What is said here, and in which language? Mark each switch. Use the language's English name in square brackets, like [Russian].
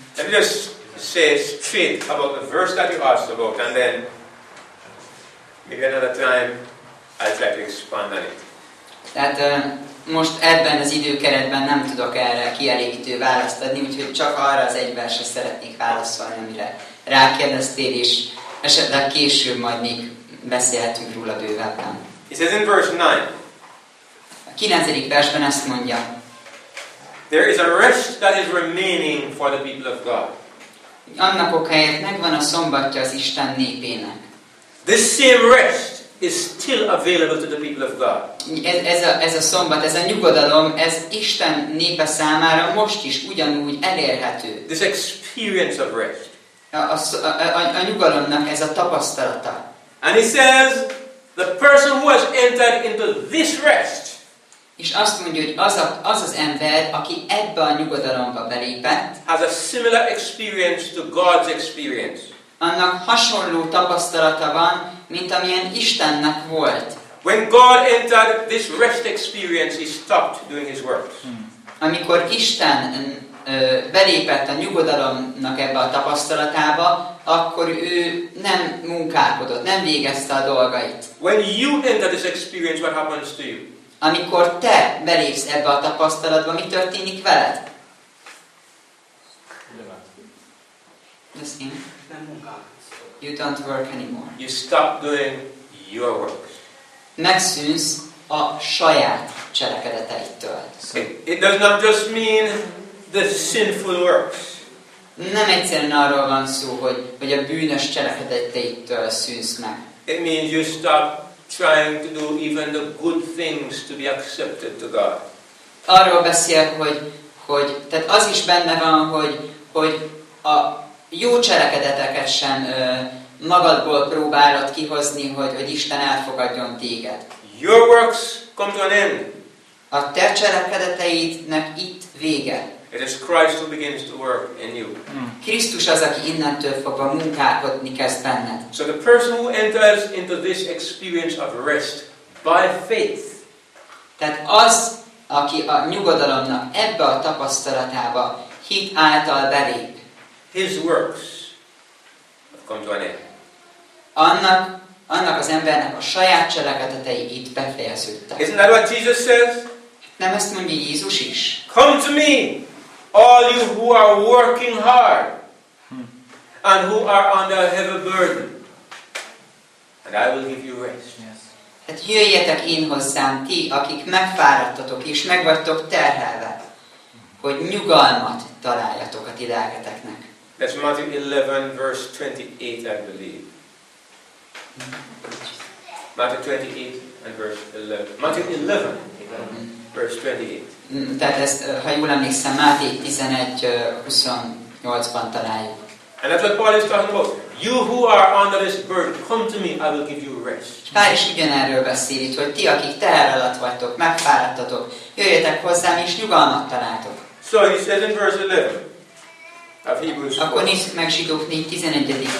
[English] Let me just say straight about the verse that you asked about, and then maybe another time I'll try to expand on it. [Hungarian] Tehát most ebben az időkeretben nem tudok erre kielégítő választ adni, úgyhogy csak arra az egy versre szeretnék válaszolni, amire rákérdeztél, és esetleg később majd még beszélhetünk róla bővebben. [English] He says in verse 9. [Hungarian] A 9. versben ezt mondja. [English] There is a rest that is remaining for the people of God. [Hungarian] Annak okáért megvan a szombatja az Isten népének. [English] This same rest is still available to the people of God. [Hungarian] Ez a szombat, ez a nyugodalom, ez Isten népe számára most is ugyanúgy elérhető. [English] This experience of rest. [Hungarian] A nyugalomnak ez a tapasztalata. [English] And he says, the person who has entered into this rest. [Hungarian] És azt mondja, hogy az ember, aki ebbe a nyugodalomba belépett, [English] has a similar experience to God's experience. [Hungarian] Annak hasonló tapasztalata van, mint amilyen Istennek volt. [English] When God entered this rest experience, he stopped doing his works. [Hungarian] Amikor Isten belépett a nyugodalomnak ebbe a tapasztalatába, akkor ő nem munkálkodott, nem végezte a dolgait. [English] When you enter this experience, what happens to you? [Hungarian] Amikor te belépsz ebbe a tapasztalatba, mi történik veled? [English] Listen. You don't work anymore. You stop doing your work. [Hungarian] Megszűnsz a saját cselekedeteidtől. [English] It does not just mean the sinful works. [Hungarian] Nem egyszerűen arról van szó, hogy a bűnös cselekedeteidtől szűnsz meg. [English] It means you stop trying to do even the good things to be accepted to God. [Hungarian] Arról beszél, hogy tehát az is benne van, hogy a jó cselekedeteket sem magadból próbálod kihozni, hogy, hogy Isten elfogadjon téged. [English] Your works come to an end. [Hungarian] A te cselekedeteidnek itt vége. [English] It is Christ who begins to work in you. [Hungarian] Krisztus az, aki innentől fogva munkálkodni kezd benned. [English] So the person who enters into this experience of rest by faith. [Hungarian] Tehát az, aki a nyugodalomnak ebbe a tapasztalatába hit által belép. [English] His works have come to an end. [Hungarian] Annak az embernek a saját cselekedetei itt befejeződtek. [English] Isn't that what Jesus says? [Hungarian] Nem ezt mondja Jézus is? [English] Come to me, all you who are working hard, and who are under a heavy burden, and I will give you rest. Yes. [Hungarian] Hát jöjjetek én hozzám, ti, akik megfáradtatok és megvagytok terhelve, hogy nyugalmat találjatok a ti lelketeknek. [English] That's Matthew 11, verse 28, I believe. Matthew 28 and verse 11. Matthew 11, verse 28. [Hungarian] Tehát ezt, ha jól emlékszem, Máté 11:28-ban találjuk. [English] And that's what Paul is talking about. You who are under this burden, come to me, I will give you rest. [Hungarian] Pál is ugyanerről beszél itt, hogy ti, akik teher alatt vagytok, megfáradtatok, jöjjetek hozzám és nyugalmat találtok. [English] So he says in verse 11 of Hebrews 4. [Hungarian] Akkor nézzük meg Zsidók 4:11.